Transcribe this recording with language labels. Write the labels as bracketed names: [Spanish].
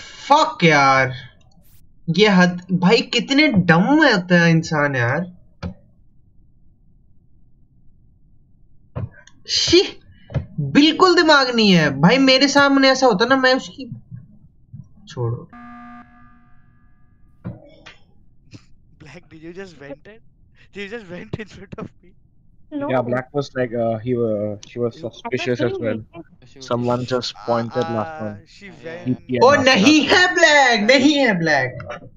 [Hindi] Fuck यार, ये हद भाई, कितने डम होते हैं इंसान यार. शी, बिल्कुल दिमाग नहीं है भाई. मेरे सामने ऐसा होता ना, मैं उसकी छोड़ो. [English] Black, did you just vented? Did you just vent in front of me? No. Yeah, Black was like, she was suspicious as well. Someone just pointed last one. [Hindi] Oh, नहीं है Black, नहीं है Black.